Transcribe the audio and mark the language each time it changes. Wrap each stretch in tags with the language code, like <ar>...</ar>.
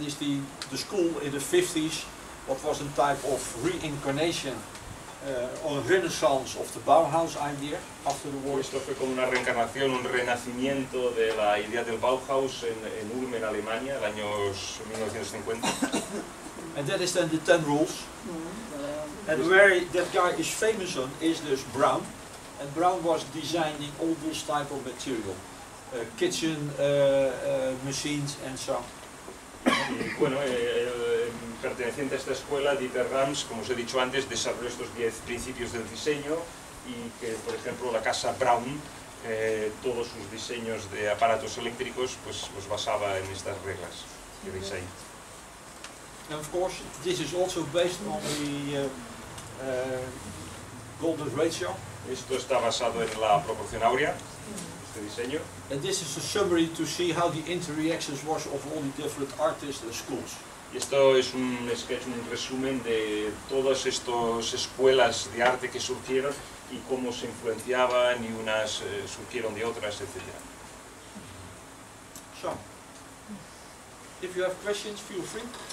<en>And then is the school in the 50s, what was a type of reincarnation or renaissance of the Bauhaus idea after the war.</en> <es>Esto fue como una reencarnación, un renacimiento de la idea del Bauhaus en Ulm, en Alemania, el año 1950.</es> <en>And that is then the 10 rules. And where that guy is famous on is this Brown, and Brown was designing all this type of material, kitchen machines and so.</en> <es>Bueno, perteneciente a esta escuela, Dieter Rams, como os he dicho antes, desarrolló estos 10 principios del diseño y que, por ejemplo, la casa Brown, todos sus diseños de aparatos eléctricos, pues los basaba en estas reglas que veis ahí.</es> <en>And of course, this is also based on the golden ratio.</en> <es>Esto está basado en la proporción áurea, este diseño.</es> <en>And this is a summary to see how the interreactions was of all the different artists and schools.</en> <es>Y esto es un sketch, un resumen de todas estas escuelas de arte que surgieron y cómo se influenciaban y unas surgieron de otras, etc.</es> <en>So, if you have questions, feel free.</en>